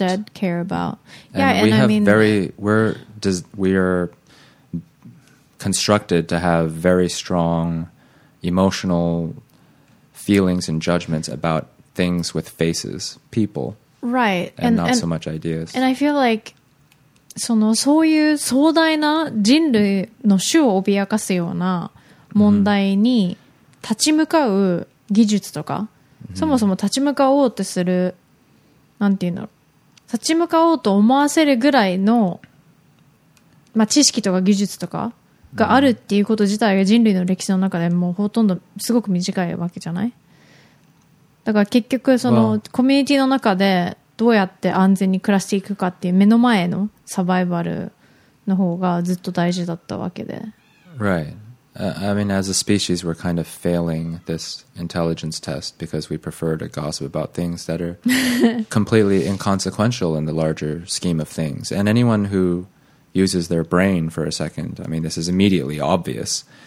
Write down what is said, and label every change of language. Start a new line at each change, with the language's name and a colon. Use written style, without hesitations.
English: And instead care about. And yeah, and I mean... We are constructed to have very strong emotional feelings and judgments about things with faces, people. Right. And not so much ideas. And I feel like...
Japanese: そういう壮大な人類の種を脅かすような問題に立ち向かう技術とか、そもそも立ち向かおうってする、なんていうんだろう。立ち向かおうと思わせるぐらいのまあ、知識とか技術とかがあるっていうこと自体が人類の歴史の中でもうほとんどすごく短いわけじゃない。だから結局そのコミュニティの中でどうやって安全に暮らしていくかっていう目の前のサバイバルの方がずっと大事だったわけで。
English: Right. I mean, as a species, we're kind of failing this intelligence test because we prefer to gossip about things that are completely inconsequential in the larger scheme of things. And anyone who uses their brain for a second, I mean, this is immediately obvious.